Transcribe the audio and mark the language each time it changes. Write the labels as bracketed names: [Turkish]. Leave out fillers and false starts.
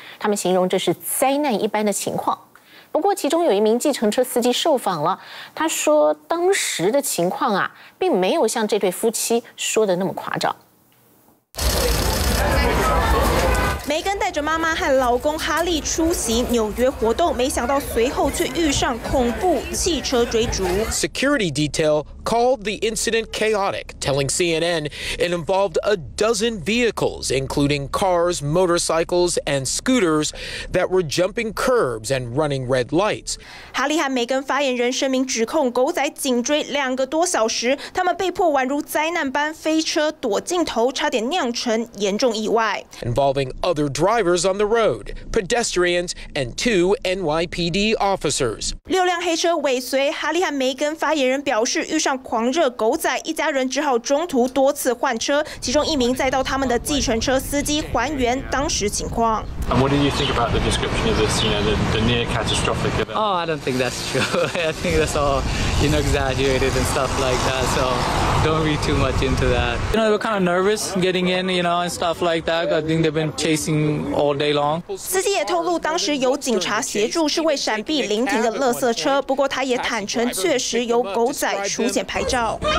[Chinese] 他们形容这是灾难一般的情况。不过其中有一名计程车司机受访了，他说当时的情况啊，并没有像这对夫妻说的那么夸张。梅根带着妈妈和老公哈利出席纽约活动，没想到随后却遇上恐怖汽车追逐。 [English] Security detail called the incident chaotic, telling CNN it involved a dozen vehicles, including cars, motorcycles, and scooters that were jumping curbs and running red lights. [Chinese] 哈利和梅根发言人声明指控狗仔紧追两个多小时，他们被迫宛如灾难般飞车躲镜头，差点酿成严重意外。 [English] Involving other drivers on the road, pedestrians, and two NYPD officers. [Chinese] 六辆黑车尾随，哈利和梅根发言人表示遇上狂热狗仔，一家人只好中途多次换车，其中一名载到他们的计程车司机还原当时情况。 [English] And what do you think about the description of this, you know, the near catastrophic event? Oh, I don't think that's true. I think that's all, you know, exaggerated and stuff like that, so don't read too much into that. You know, they were kind of nervous getting in, you know, and stuff like that. I think they've been chasing all day long. [Chinese] 司机也透露当时有警察协助是为闪避临停的垃圾车，不过他也坦诚确实有狗仔出现拍照。